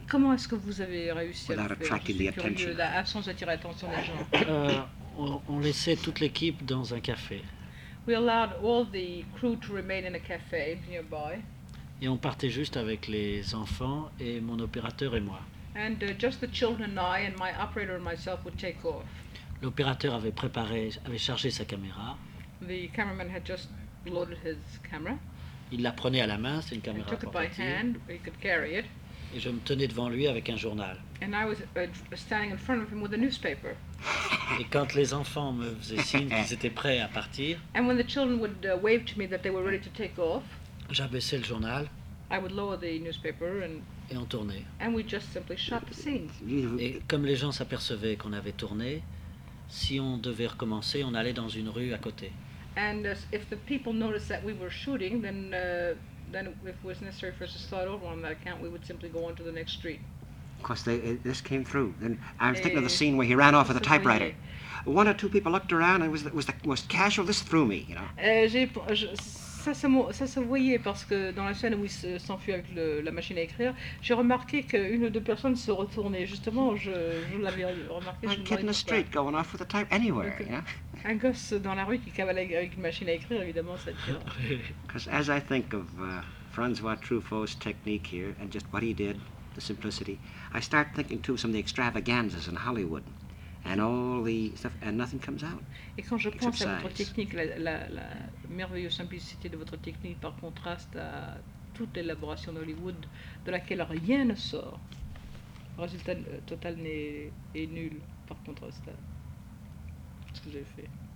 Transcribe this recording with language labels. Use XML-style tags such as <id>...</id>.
<fr>Comment est-ce que vous avez réussi</fr> <en>without</en> <fr>à faire</fr> <en>attracting the attention?</en> <fr>Sans attirer l'attention des gens. On laissait toute l'équipe dans un café.</fr> <en>We allowed all the crew to remain in a cafe nearby.</en> <fr>Et on partait juste avec les enfants et mon opérateur et moi.</fr> <en>And just the children and I and my operator and myself would take off.</en> <fr>L'opérateur avait préparé, avait chargé sa caméra.</fr> <en>The cameraman had just loaded his camera.</en> <fr>Il la prenait à la main, c'est une caméra portative.</fr> <en>He took it by hand, he could carry it.</en> <fr>Et je me tenais devant lui avec un journal.</fr> <en>And I was standing in front of him with a newspaper.</en> <fr>Et quand les enfants me faisaient signe qu'ils étaient prêts à partir.</fr> <en>And when the children would wave to me that they were ready to take off.</en> <fr>J'abaissais le journal.</fr> <en>I would lower the newspaper and.</en> <fr>Et on tournait.</fr> <en>And we just simply shot the scenes.</en> <fr>Et comme les gens s'apercevaient qu'on avait tourné, si on devait recommencer, on allait dans une rue à côté.</fr> <en>And if the people noticed that we were shooting, then if it was necessary for us to start over on that account, we would simply go on to the next street. Of course, this came through. And I was thinking of the scene where he ran off with a typewriter. One or two people looked around, and it was the most casual. This threw me, you know.</en> <fr>Ça se voyait parce que dans la scène où il s'enfuit avec la machine à écrire, j'ai remarqué qu'une ou deux personnes se retournaient. Justement, je l'avais remarqué.</fr> <en>Un kid in the street going off with a type anywhere, okay.</en> <fr>Un gosse dans la rue qui cavalait avec une machine à écrire, évidemment, ça tire.</fr> <en>Because as I think of François Truffaut's technique here and just what he did, the simplicity, I start thinking too of some of the extravaganzas in Hollywood. And all the stuff, and nothing comes out.</en> <fr>Et quand je pense à votre technique, la merveilleuse simplicité de votre technique par contraste à toute l'élaboration d'Hollywood, de laquelle rien ne sort, le résultat total est nul par contraste à ce que j'ai fait.</fr>